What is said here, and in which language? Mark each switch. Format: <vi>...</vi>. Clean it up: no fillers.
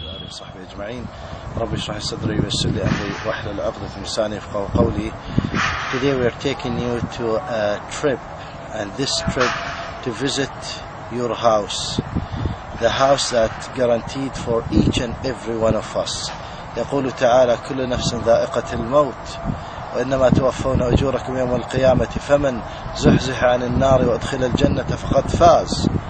<ar>صحبي اجمعين، ربي يشرح صدري ويسر لي امري واحلل عقدة من لساني يفقهوا قولي.</ar> <en>Today we are taking you to a trip, and this trip to visit your house, the house that guaranteed for each and every one of us.</en> <ar>يقول تعالى كل نفس ذائقة الموت وإنما توفون أجوركم يوم القيامة فمن زحزح عن النار وأدخل الجنة فقد فاز.</ar>